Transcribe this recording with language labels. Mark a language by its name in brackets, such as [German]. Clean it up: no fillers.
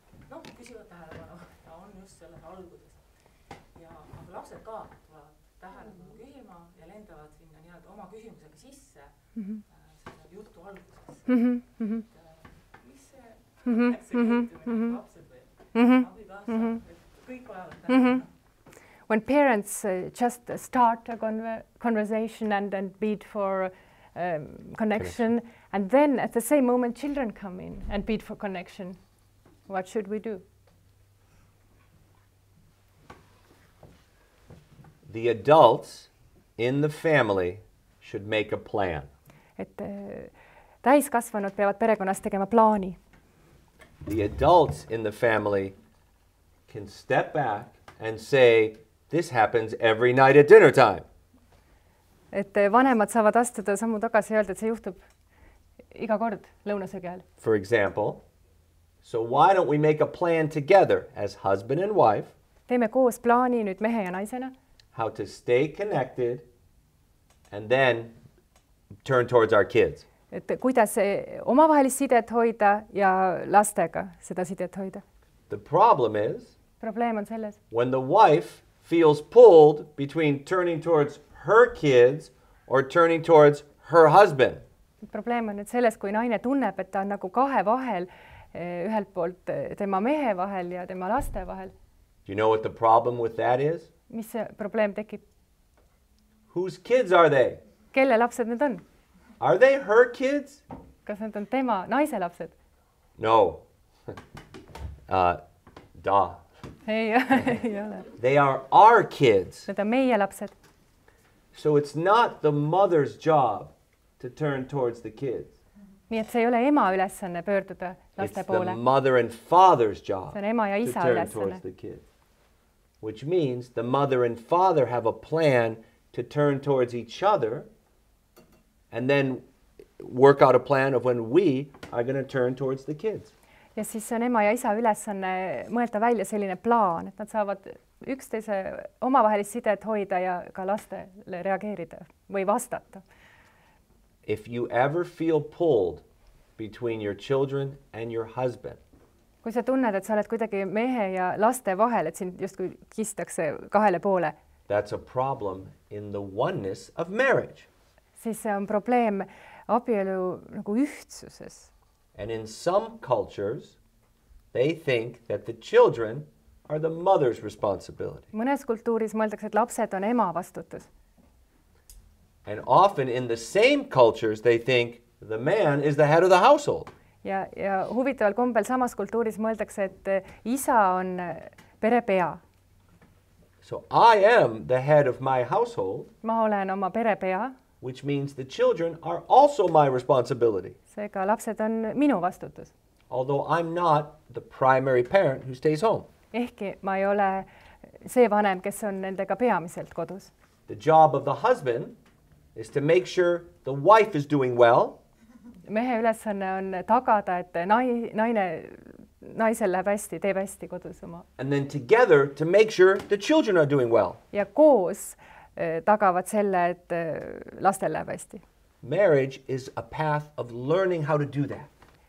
[Estonian] Ja küsivad tähelepanu, ja on just selles alguses. Ja aga lapsed ka tulevad tähelepanu küsima ja lendavad sinna niimoodi oma küsimusega sisse selle juttu alguses. Mis see lapsed või? Kõik vajavad tähelepanu. [English] When parents just start a conversation and bid for connection, and then at the same moment children come in and bid for connection, what should we do? The adults in the family should make a plan. [Estonian] Täiskasvanud peavad perekonnas tegema plaani. [English] The adults in the family can step back and say, this happens every night at dinner time. [Estonian] Et vanemad saavad astuda sammu tagasi öelda, et see juhtub iga kord lõunasöögi ajal. [English] For example, so why don't we make a plan together as husband and wife? [Estonian] Teeme koos plaani nüüd mehe ja naisena. [English] How to stay connected and then turn towards our kids. [Estonian] Et kuidas omavahelist sidet hoida ja lastega seda sidet hoida. [English] The problem is, [Estonian] probleem on selles, [English] when the wife feels pulled between turning towards her kids or turning towards her husband. [Estonian] Probleem on nüüd selles, kui naine tunneb, et ta on nagu kahe vahel, ühelt poolt tema mehe vahel ja tema laste vahel. [English] Do you know what the problem with that is? [Estonian] Mis see probleem tekib? [English] Whose kids are they? [Estonian] Kelle lapsed need on? [English] Are they her kids? [Estonian] Kas need on tema naise lapsed? [English] No. Duh. They are our kids. [Estonian] Need on meie lapsed. [English] So it's not the mother's job to turn towards the kids. [Estonian] Nii et see ei ole ema ülesanne pöörduda laste poole. [English] It's the mother and father's job. [Estonian] See on ema ja isa ülesanne. [English] To turn towards the kids. Which means the mother and father have a plan to turn towards each other and then work out a plan of when we are going to turn towards the kids. [Estonian] Ja siis on ema ja isa ülesanne mõelda välja selline plaan, et nad saavad üksteise omavahelist sidet hoida ja ka lastele reageerida või vastata. [English] If you ever feel pulled between your children and your husband, [Estonian] kui sa tunned, et sa oled kuidagi mehe ja laste vahel, et sind just kui kistakse kahele poole, [English] that's a problem in the oneness of marriage. [Estonian] Siis see on probleem abielu nagu ühtsuses. [English] And in some cultures, they think that the children are the mother's responsibility. [Estonian] Mõnes kultuuris mõeldakse, et lapsed on ema vastutus. [English] And often in the same cultures, they think the man is the head of the household. [Estonian] Ja huvitaval kombel samas kultuuris mõeldakse, et isa on pere pea. [English] So I am the head of my household. [Estonian] Ma olen oma pere pea. [English] Which means the children are also my responsibility. [Estonian] Seega lapsed on minu vastutus. [English] Although I'm not the primary parent who stays home. [Estonian] Ehkki ma ei ole see vanem, kes on nendega peamiselt kodus. [English] The job of the husband is to make sure the wife is doing well. [Estonian] Mehe ülesanne on tagada, et naisel läheb hästi, teeb hästi kodus oma. [English] And then together to make sure the children are doing well. [Estonian] Ja koos tagavad selle, et lastel läheb hästi. [English] Marriage is a path of learning how to do that.